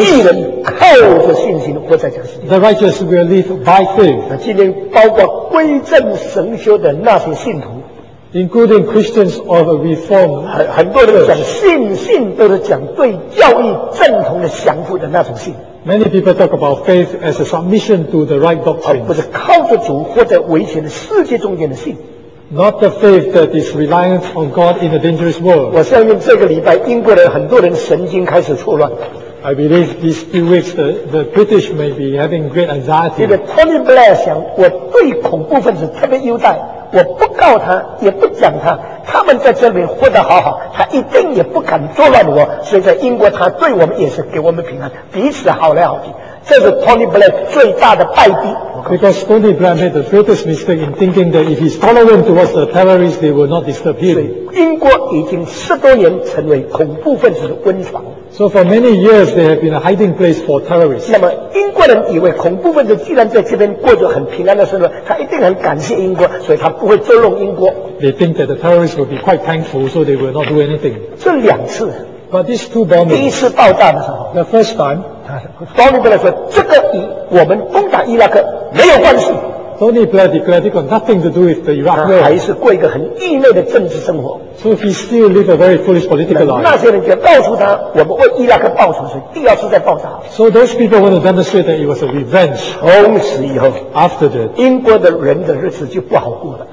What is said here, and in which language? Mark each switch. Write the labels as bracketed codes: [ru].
[zh] 义人靠着信心活在这个世界。 [en] The righteous will live by faith. [zh] 那今天包括归正神学的那些信徒。 [en] Including Christians of a reformed church. [zh] 很多人讲信心都是讲对教义正统的降服的那种信。 [en] Many people talk about faith as a submission to the right doctrine. [zh] 而不是靠着主或者危险的世界中间的信。 [en] Not the faith that is reliant on God in a dangerous world. [zh] 我相信这个礼拜英国人很多人神经开始错乱。 [en] I believe these few weeks the British may be having great anxiety. [zh] 因为 Tony Blair 想，我对恐怖分子特别优待，我不告他，也不讲他，他们在这里活得好好，他一定也不敢作乱我。所以在英国，他对我们也是给我们平安，彼此好来好去。这是 Tony Blair 最大的败笔。 [en] Because Tony Blair made the greatest mistake in thinking that if he's tolerant towards the terrorists, they will not disturb him. [zh] 所以英国已经十多年成为恐怖分子的温床。 [en] So for many years, they have been a hiding place for terrorists. [zh] 那么英国人以为恐怖分子既然在这边过着很平安的生活，他一定很感谢英国，所以他不会捉弄英国。 [en] They think that the terrorists will be quite thankful, so they will not do anything. [zh] 这两次。 [en] But these two bombings. [zh] 第一次爆炸的时候。 [en] The first time. [zh] Tony Blair 说，这个与我们攻打伊拉克没有关系。 [en] Tony Blair declared he got nothing to do with the Iraq war. [zh] 还是过一个很异类的政治生活。 [en] So he still lived a very foolish political life. [zh] 那些人就告诉他，我们为伊拉克报仇，所以第二次再爆炸。 [en] So those people want to demonstrate that it was a revenge. [zh] 从此以后 [en] ，after that， [zh] 英国的人的日子就不好过了。